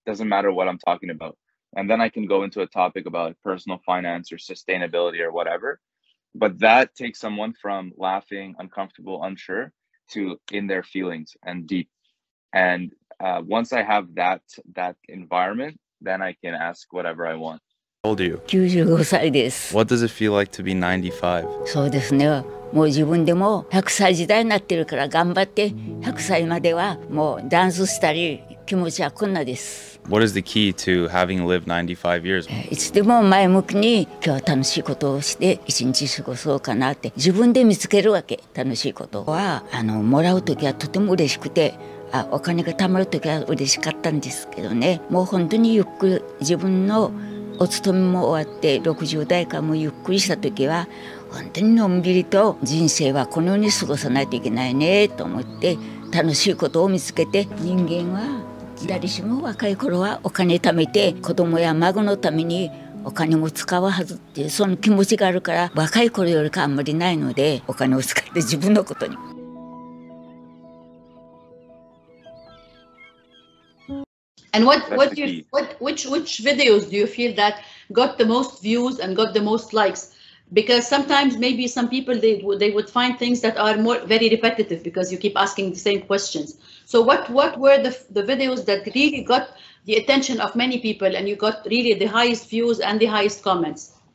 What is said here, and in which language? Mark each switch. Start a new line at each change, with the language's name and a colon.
English: Doesn't matter what I'm talking about. And then I can go into a topic about personal finance or sustainability or whatever. But that takes someone from laughing, uncomfortable, unsure to in their feelings and deep. And once I have that environment, then I can ask whatever I want. How old are you?
Japanese: 95歳です.
English: What does it feel like to be 95?
Japanese: そうですね。もう自分でも100歳時代になってるから頑張って100歳まではもうダンスしたり気持ちは困難です。
English: What is the key to having lived 95 years?
Japanese: いつでも前向きに今日は楽しいことをして一日過ごそうかなって自分で見つけるわけ楽しいことはもらう時はとても嬉しくてお金が貯まる時は嬉しかったんですけどねもう本当にゆっくり自分のお勤めも終わって60代間もゆっくりした時は 本当にのんびりと人生はこのように過ごさないといけないねと思って楽しいことを見つけて人間は誰しも若い頃はお金貯めて子供や孫のためにお金も使うはずっていうその気持ちがあるから若い頃よりかあんまりないのでお金を使って自分のことに。
English: And which videos do you feel that got the most views and got the most likes? Because sometimes maybe some people they would find things that are more very repetitive because you keep asking the same questions. So what were the videos that really got the attention of many people and you got really the highest views and the highest comments?